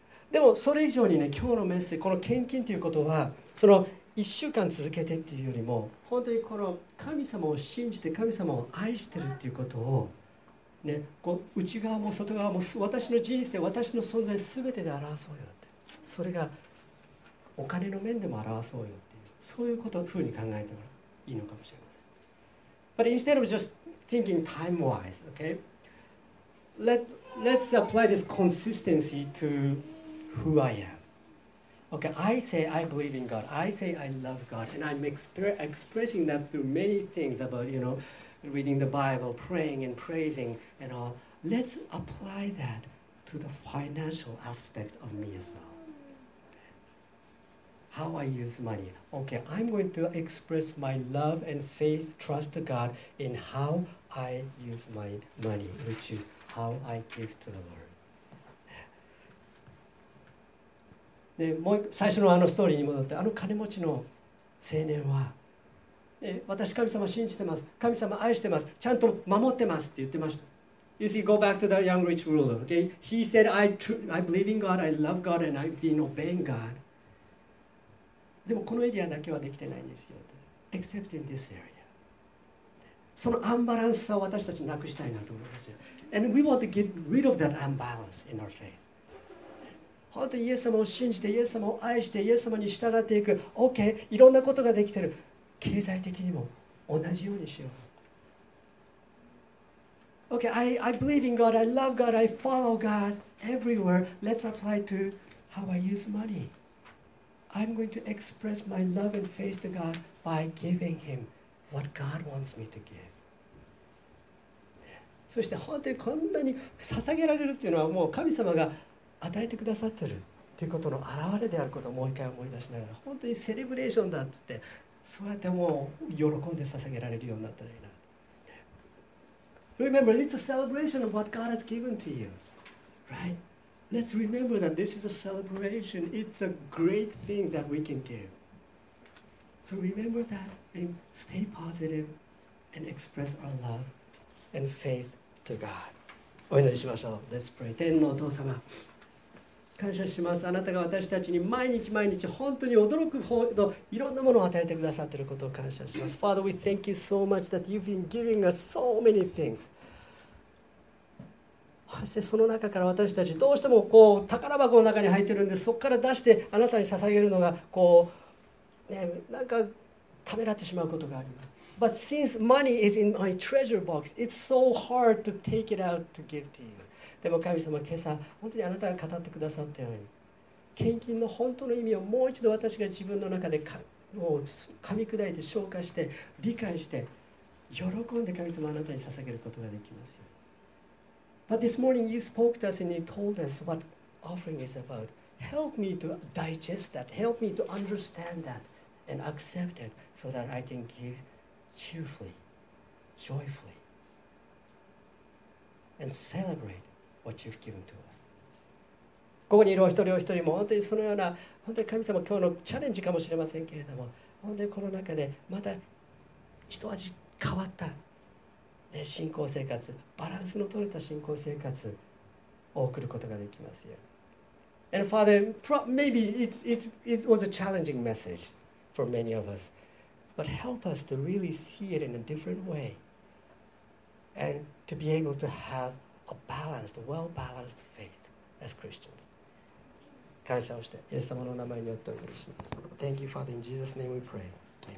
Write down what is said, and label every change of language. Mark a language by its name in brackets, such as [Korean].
[Japanese] でもそれ以上にね、今日のメッセージ、この献金ということは、その1週間続けてっていうよりも、本当にこの神様を信じて、神様を愛してるっていうことを、ね、こう内側も外側も、私の人生、私の存在全てで表そうよって、それがお金の面でも表そうよっていう、そういうことをふうに考えてもらういいのかもしれません。 [English] But instead of just thinking time-wise, okay? Let's apply this consistency to... Who I am. Okay, I say I believe in God. I say I love God. And I'm expressing that through many things about, you know, reading the Bible, praying and praising and all. Let's apply that to the financial aspect of me as well. How I use money. Okay, I'm going to express my love and faith, trust to God in how I use my money, which is how I give to the Lord. [Japanese] でもう最初のあのストーリーに戻って、あの金持ちの青年は、私神様信じてます、神様愛してます、ちゃんと守ってますって言ってました。 [English] You see, go back to the young rich ruler, okay? He said, I believe in God, I love God, and I've been obeying God. [Japanese] でもこのエリアだけはできてないんですよ。 [English] Except in this area. [Japanese] そのアンバランスさを私たちなくしたいなと思いますよ。 [English] And we want to get rid of that imbalance in our faith. [Japanese] 本当にイエス様を信じて、イエス様を愛して、イエス様に従っていく。 OK、いろんなことができてる。経済的にも同じようにしよう。 [English] OK、I believe in God, I love God, I follow God everywhere. Let's apply to how I use money. I'm going to express my love and faith to God by giving Him what God wants me to give. [Japanese] そして本当にこんなに捧げられるっていうのはもう神様が与えてくださってるということの表れであることをもう一回思い出しながら、本当にセレブレーションだっつって、そうやってもう喜んで捧げられるようになったらいいな。 [English] Remember, it's a celebration of what God has given to you, right? Let's remember that this is a celebration. It's a great thing that we can give. So remember that and stay positive and express our love and faith to God. [Japanese] お祈りしましょう。 [English] Let's pray. [Japanese] 天のお父様。感謝します。あなたが私たちに毎日毎日本当に驚くほどいろんなものを与えてくださっていることを感謝します。 [English] Father, we thank you so much that you've been giving us so many things. [Japanese] そしてその中から私たちどうしてもこう宝箱の中に入っているんで、そこから出してあなたに捧げるのがこう、ね、なんかためらってしまうことがあります。 [English] But since money is in my treasure box, it's so hard to take it out to give to you. [Japanese] でも神様、今朝本当にあなたが語ってくださったように、献金の本当の意味をもう一度私が自分の中でもう噛み砕いて消化して理解して喜んで神様あなたに捧げることができますよ。 [English] But this morning you spoke to us and you told us what offering is about. Help me to digest that. Help me to understand that and accept it so that I can give cheerfully, joyfully and celebrateWhat you've given to us. [Japanese] ここにいるお一人お一人も本当にそのような本当に神様今日のチャレンジかもしれませんけれども、本当にこの中でまた一味変わった、ね、信仰生活、バランスの取れた信仰生活を送ることができますよ。 [English] And Father, maybe it was a challenging message for many of us, but help us to really see it in a different way and to be able to haveA balanced, well-balanced faith as Christians. [Japanese] 感謝をして、イエス様の名前によってお祈りします。 [English] Thank you, Father. In Jesus' name we pray.